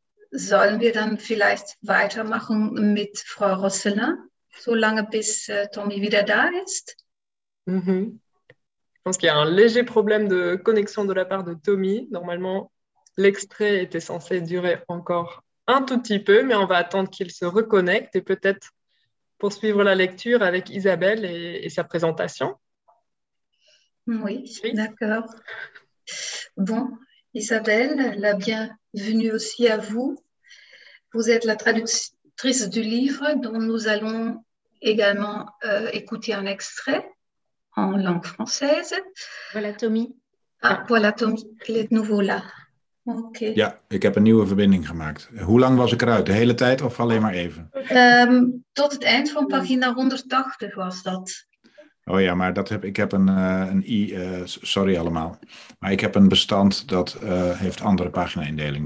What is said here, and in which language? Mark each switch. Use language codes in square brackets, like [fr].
[de] Sollen wir dann vielleicht weitermachen mit Frau Rosselin, so lange bis Tommy wieder da ist? Mm-hmm. [fr] Je pense qu'il y a un léger problème de connexion de la part de Tommy. Normalement, l'extrait était censé durer encore un tout petit peu, mais on va attendre qu'il se reconnecte et peut-être poursuivre la lecture avec Isabelle et sa présentation. Oui, oui, d'accord. Bon, Isabelle, la bienvenue. Venue aussi à vous. Vous êtes la traductrice du livre dont nous allons également écouter un extrait en langue française. Voilà Tommy. Ah, voilà Tommy, il est de nouveau là. Okay. [nl] Ja, ik heb een nieuwe verbinding gemaakt. Hoe lang was ik eruit? De hele tijd of alleen maar even? Tot het eind van pagina 180 was dat. Oh ja, maar dat heb, ik heb een i, sorry allemaal. Maar ik heb een bestand dat heeft andere pagina-indeling.